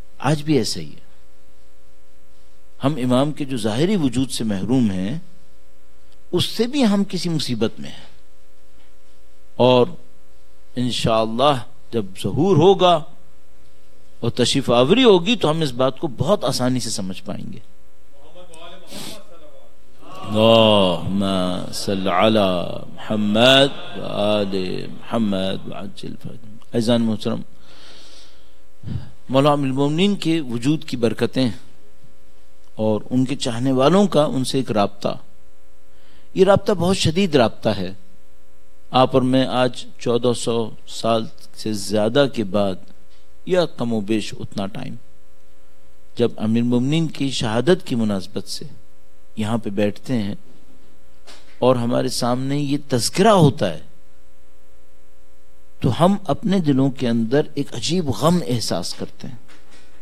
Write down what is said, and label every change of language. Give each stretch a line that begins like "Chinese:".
Urdu: آج بھی ایسا ہی ہے، ہم امام کے جو ظاہری وجود سے محروم ہیں اس سے بھی ہم کسی مصیبت میں ہیں. اور انشاءاللہ جب ظہور ہوگا اور تشریف آوری ہوگی تو ہم اس بات کو بہت آسانی سے سمجھ پائیں گے.
Arabic: اللهم صل على محمد وآل محمد وعجل فرجهم.
Urdu: اعزائي المحترم، مولا المومنین کے وجود کی برکتیں اور ان کے چاہنے والوں کا ان سے ایک رابطہ، یہ رابطہ بہت شدید رابطہ ہے. آپ اور میں آج 1400 سال سے زیادہ کے بعد، یا کم و بیش اتنا ٹائم، جب امیر المومنین کی شہادت کی مناسبت سے یہاں پہ بیٹھتے ہیں اور ہمارے سامنے یہ تذکرہ ہوتا ہے تو ہم اپنے دلوں کے اندر ایک عجیب غم احساس کرتے ہیں.